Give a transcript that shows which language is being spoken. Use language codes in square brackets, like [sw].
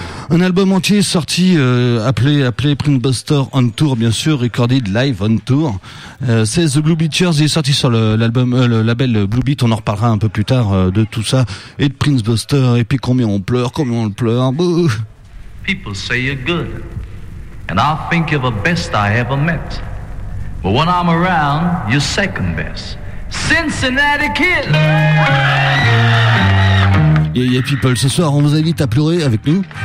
[fr] Un album entier sorti appelé Prince Buster on Tour, bien sûr, [en] recorded live on tour. [fr] C'est The Blue Beaters, il est sorti sur le label Blue Beat. On en reparlera un peu plus tard de tout ça et de Prince Buster. Et puis combien on pleure. Bouh. [en] People say you're good, and I think you're the best I ever met. But when I'm around, you're second best. Cincinnati kid. Yeah, people, [fr] ce soir, on vous invite à pleurer avec nous.